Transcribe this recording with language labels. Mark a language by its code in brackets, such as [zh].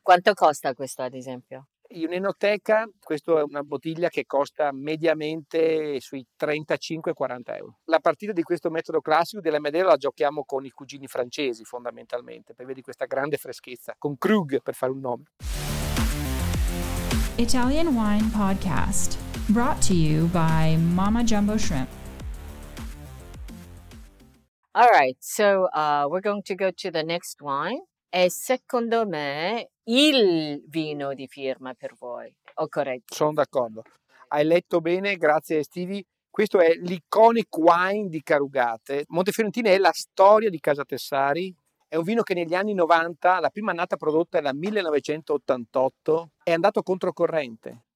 [it] Quanto costa questo, ad esempio? In enoteca, questa è una bottiglia che costa mediamente sui 35-40 euro. La partita di questo metodo classico della Madeira la giochiamo con i cugini francesi, fondamentalmente, per vedere questa grande freschezza, con Krug, per fare un nome. [en] Italian Wine Podcast, brought to you by Mama Jumbo Shrimp. All right, so we're going to go to the next wine. [it] E secondo me il vino di firma per voi, ho corretto? Sono d'accordo. Hai letto bene, grazie Stevie. Questo è l' [en] iconic wine [it] di Carugate. Montefiorentino è la storia di Casa Tessari. È un vino che negli anni 90, la prima annata prodotta era 1988, è andato controcorrente.